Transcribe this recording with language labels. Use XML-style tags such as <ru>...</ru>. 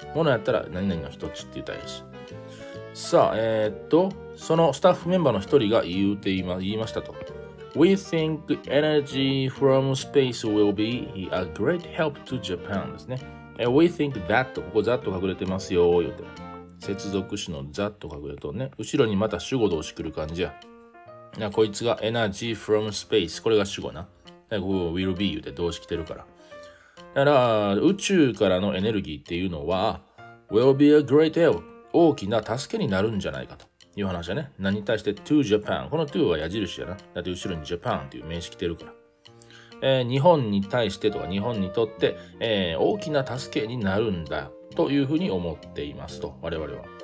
<ja>ものやったら何々の一つって言ったらいいし。さあ、そのスタッフメンバーの一人が言いましたと。</ja> <en>We think energy from space will be a great help to Japan</en> <ja>ですね。</ja> <en>We think that、</en> <ja>ここザッと隠れてますよ、言うて。接続詞のザッと隠れとね。後ろにまた主語同士来る感じや。なこいつが</ja> <en>energy from space。</en> <ja>これが主語な。ここ will be 言うて動詞来てるから。だから宇宙からのエネルギーっていうのは</ja> <en>will be a great help、</en> <ja>大きな助けになるんじゃないかという話だね。何に対して</ja> <en>to Japan、</en> <ja>この to は矢印やな、だって後ろに Japan っていう名詞来てるから、日本に対してとか日本にとって、大きな助けになるんだというふうに思っていますと我々は。</ja>